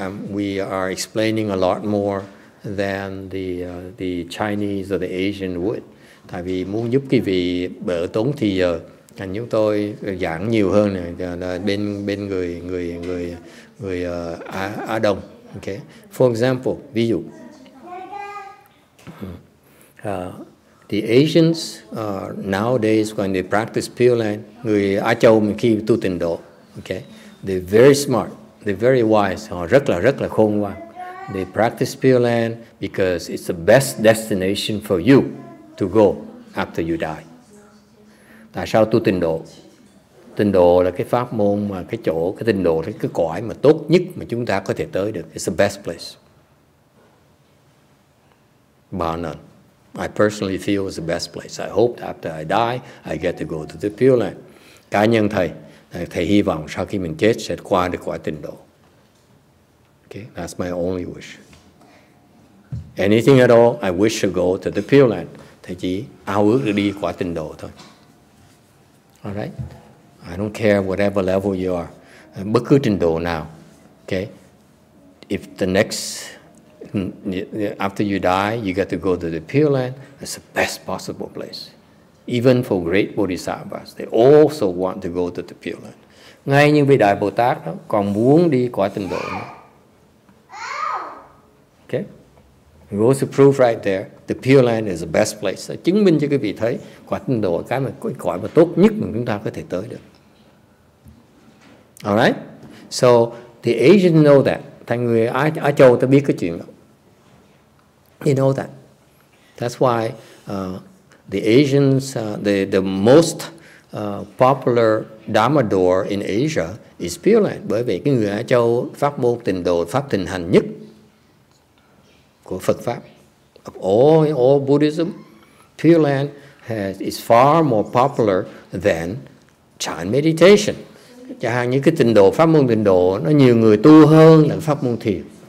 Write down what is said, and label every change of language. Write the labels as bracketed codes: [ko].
[en] We are explaining a lot more than the Chinese or the Asian would. [vi] Tại vì muốn giúp quý vị bỡ tốn thì giờ, thành chúng tôi giảng nhiều hơn này bên người Á Đông. [en] Okay. For example, [vi] ví dụ, [en] the Asians nowadays when they practice Pure Land, [vi] người Á Châu khi tu tịnh độ, [en] okay, they're very smart. They're very wise. [vi] Họ rất là khôn ngoan. [en] They practice Pure Land because it's the best destination for you to go after you die. [vi] Tại sao tu tịnh độ? Tịnh độ là cái pháp môn mà cái chỗ, cái tịnh độ là cái cõi mà tốt nhất mà chúng ta có thể tới được. [en] It's the best place. Bar none. I personally feel it's the best place. I hope that after I die, I get to go to the Pure Land. [vi] Cá nhân thầy. Thầy hy vọng sau khi mình chết sẽ qua được quả tịnh độ. [en] Okay, that's my only wish. Anything at all, I wish to go to the Pure Land. [vi] Thầy chỉ ao ước được đi quả tịnh độ thôi. [en] All right? I don't care whatever level you are. [vi] Bất cứ tịnh độ nào. [en] Okay? If the next, after you die, you get to go to the Pure Land, it's the best possible place. Even for great bodhisattvas, they also want to go to the Pure Land. [vi] Ngay như vị Đại Bồ Tát đó, còn muốn đi quả tịnh độ. [en] Okay? Goes to prove right there, the Pure Land is the best place. [vi] Chứng minh cho quý vị thấy, quả tịnh độ cái mà cõi mà tốt nhất mà chúng ta có thể tới được. [en] Alright? So, the Asians know that. [vi] Thành người Á Châu ta biết cái chuyện đó. [en] They know that. That's why... The Asians, the most popular Dharma door in Asia is Pure Land. [vi] Bởi vì cái người Á Châu pháp môn tịnh độ, pháp thịnh hành nhất của Phật pháp. [en] Of all Buddhism, Pure Land is far more popular than Chan meditation. [vi] Chẳng hạn như cái tịnh độ, pháp môn tịnh độ nó nhiều người tu hơn là pháp môn thiền.